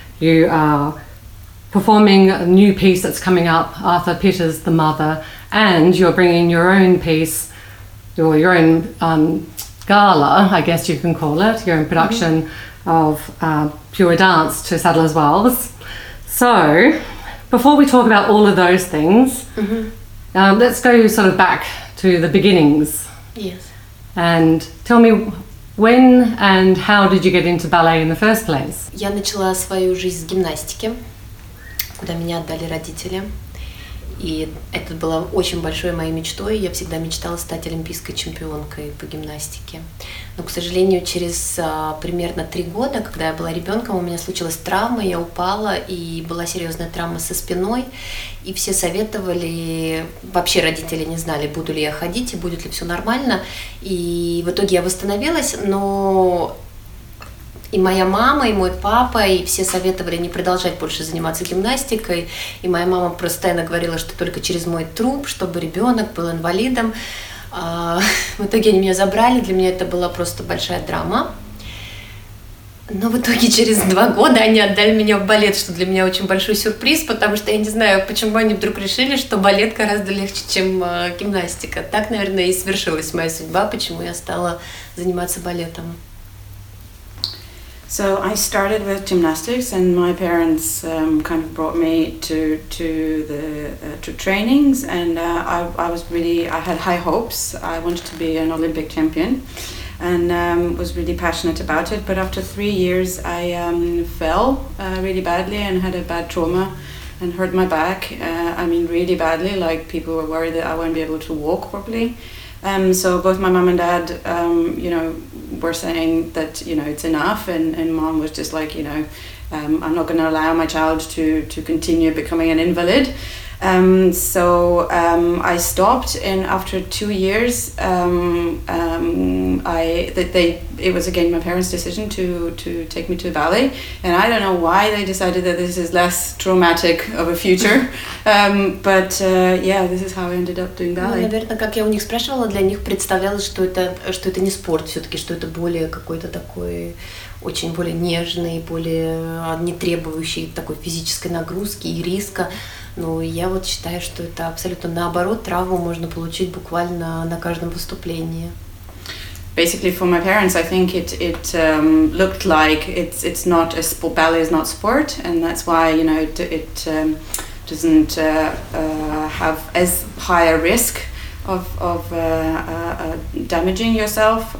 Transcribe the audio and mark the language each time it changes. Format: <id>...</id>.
<en>You are performing a new piece that's coming up, Arthur Peters, The Mother, and you're bringing your own piece, or your own gala, I guess you can call it, your own production of Pure Dance to Sadler's Wells. So, before we talk about all of those things, let's go sort of back to the beginnings. Yes. And tell me, when and how did you get into ballet in the first place?</en> <ru>Я начала свою жизнь с гимнастики, куда меня отдали родители. И это было очень большой моей мечтой. Я всегда мечтала стать олимпийской чемпионкой по гимнастике. Но, к сожалению, через примерно 3 года, когда я была ребенком, у меня случилась травма, я упала, и была серьезная травма со спиной. И все советовали, вообще родители не знали, буду ли я ходить, и будет ли все нормально. И в итоге я восстановилась, но и моя мама, и мой папа, и все советовали не продолжать больше заниматься гимнастикой. И моя мама постоянно говорила, что только через мой труп, чтобы ребенок был инвалидом. В итоге они меня забрали, для меня это была просто большая драма. Но в итоге через 2 года они отдали меня в балет, что для меня очень большой сюрприз, потому что я не знаю, почему они вдруг решили, что балет гораздо легче, чем гимнастика. Так, наверное, и свершилась моя судьба, почему я стала заниматься балетом.</ru> <en>So I started with gymnastics, and my parents kind of brought me to trainings, and I had high hopes. I wanted to be an Olympic champion, and was really passionate about it. But after 3 years, I fell really badly and had a bad trauma, and hurt my back. I mean, really badly. Like, people were worried that I wouldn't be able to walk properly. So both my mom and dad, were saying that, you know, it's enough, and mom was just like, you know, I'm not going to allow my child to continue becoming an invalid. So I stopped, and after 2 years, it was again my parents' decision to take me to ballet, and I don't know why they decided that this is less traumatic of a future, but this is how I ended up doing ballet.</en> <ru>Ну, наверное, как я у них спрашивала, для них представлялось, что это не спорт все-таки, что это более какой-то такой очень более нежный, более не требующий такой физической нагрузки и риска. Ну, я вот считаю, что это абсолютно наоборот, травму можно получить буквально на каждом выступлении.</ru> <en>Basically, for my parents, I think it looked like it's not a sport, ballet is not sport, and that's why, you know, it doesn't have as high a risk of damaging yourself.</en>